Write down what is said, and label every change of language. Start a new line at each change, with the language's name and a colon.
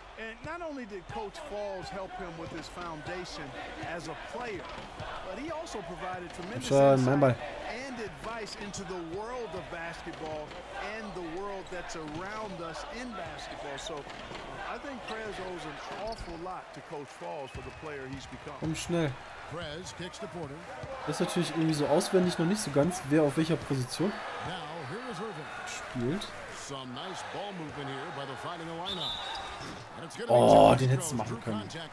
English: And not only did Coach Falls help him with his foundation as a player, but he also provided tremendous insight and advice into the world of basketball and the world that's around us in basketball. So I think Prez owes an awful lot to Coach Falls for the player he's become.
German: Komm schnell.
English: Prez kicks to Porter.
German: Das ist natürlich irgendwie so auswendig noch nicht so ganz, wer auf welcher Position spielt.
English: Some nice ball movement here by the Fighting Illini.
German: Oh, den hättest du machen können.